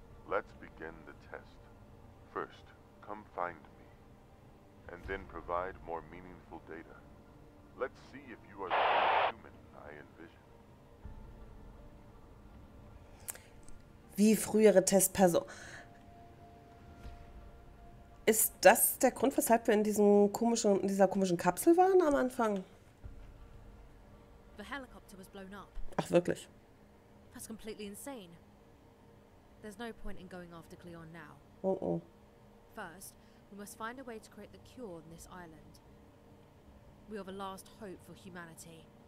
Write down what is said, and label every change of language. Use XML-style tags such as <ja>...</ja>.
<en>Let's begin the test. First, come find me. And then provide more meaningful data. Let's see if you are the human I envision.</en> <de>Wie frühere Testperson. Ist das der Grund, weshalb wir in diesem komischen, in dieser komischen Kapsel waren am Anfang?</de> <en>The helicopter was blown up.</en> <de>Ach wirklich?</de> <en>That's completely insane. There's no point in going after Cleon now. Oh oh. First, we must find a way to create the cure on this island. We are the last hope for humanity.</en>